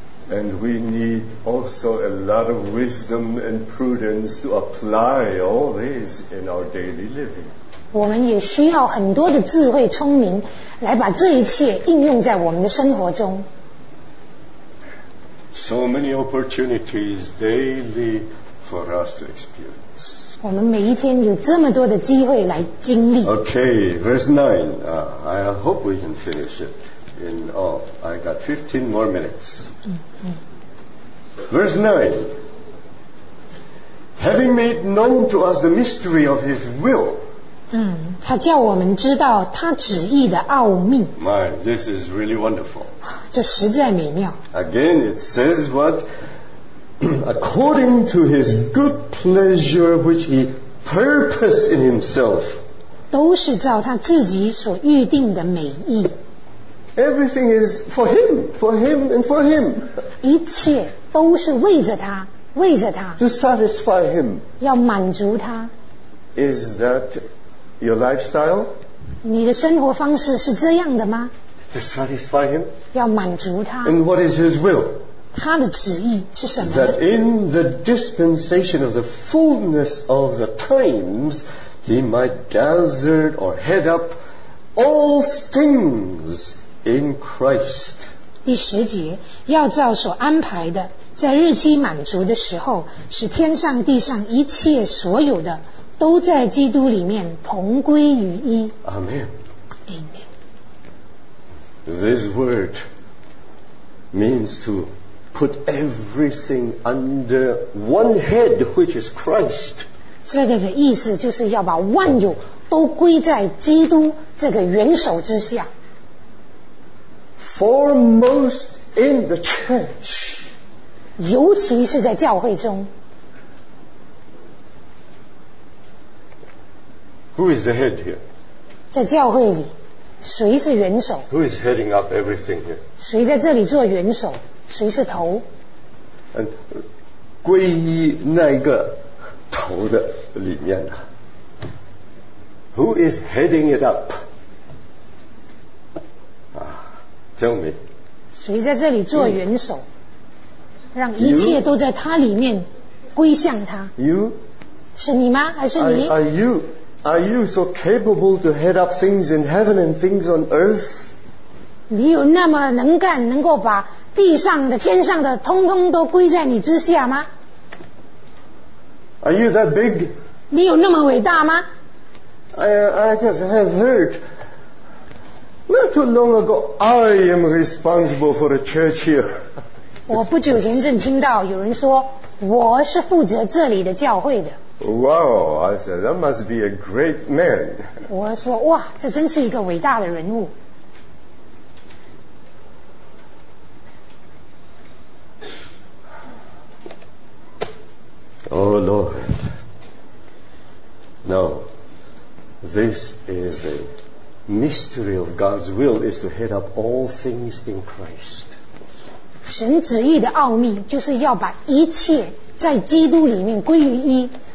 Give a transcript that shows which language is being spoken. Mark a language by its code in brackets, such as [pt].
[en] And we need also a lot of wisdom and prudence to apply all this in our daily living. [zh] 我们也需要很多的智慧聪明来把这一切应用在我们的生活中。 [en] So many opportunities daily for us to experience. [zh] 我们每一天有这么多的机会来经历。 [en] Okay, verse 9. I hope we can finish it. I got 15 more minutes. Verse 9. Having made known to us the mystery of his will. [zh] 他叫我们知道他旨意的奥秘。 [en] My, this is really wonderful. [zh] 这实在美妙。 [en] Again, it says what? According to his good pleasure, which he purposed in himself, [zh] 都是照他自己所预定的美意。 [en] Everything is for him and for him. [zh] 一切都是为着他，为着他。 [en] To satisfy him. [zh] 要满足他。 [en] Is that your lifestyle? [zh] 你的生活方式是这样的吗？ [en] To satisfy him. [zh] 要满足他。 [en] And what is his will? [zh] 他的旨意是什么？ [en] That in the dispensation of the fullness of the times, he might gather or head up all things in Christ. [zh] 第十节，要照所安排的，在日期满足的时候，使天上地上一切所有的，都在基督里面同归于一。 [en] Amen. Amen. This word means to. Put everything under one head, which is Christ. [zh] 这个的意思就是要把万有都归在基督这个元首之下。 [en] Foremost in the church. [zh] 尤其是在教会中。 [en] Who is the head here? [zh] 在教会里，谁是元首？ [en] Who is heading up everything here? [zh] 谁在这里做元首？谁是头？归依那个头的里面呢、啊、？ [en] Who is heading it up？啊 ，Tell me。 [zh] 谁在这里做元首？让一切都在他里面归向他。 [en] You？ [zh] 是你吗？还是你 [en] ？Are you so capable to head up things in heaven and things on earth？ [zh] 你有那么能干，能够把？地上的天上的通通都归在你之下吗？ [en] Are you that big? [zh] 你有那么伟大吗？ [en] I just have heard not too long ago I am responsible for the church here. [zh] 我不久前正听到有人说我是负责这里的教会的。 [en] Wow, I said that must be a great man. [zh] 我说哇，这真是一个伟大的人物。 [en] Oh Lord, no, this is the mystery of God's will is to head up all things in Christ. [zh] 神旨意的奥秘就是要把一切在基督里面归于一。